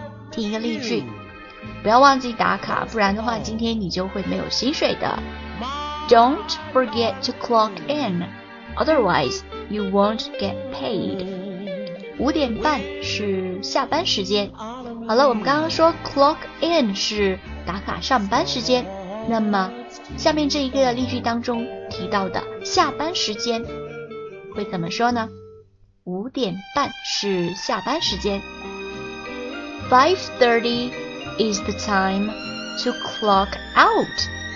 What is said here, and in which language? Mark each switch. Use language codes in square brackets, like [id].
[zh] 第一个例句，不要忘记打卡，不然的话今天你就会没有薪水的。 [en] Don't forget to clock in, otherwise you won't get paid. [zh] 五点半是下班时间。好了，我们刚刚说 clock in 是打卡上班时间，那么下面这一个例句当中提到的下班时间会怎么说呢？五点半是下班时间。 [en] 5:30 is the time to clock out.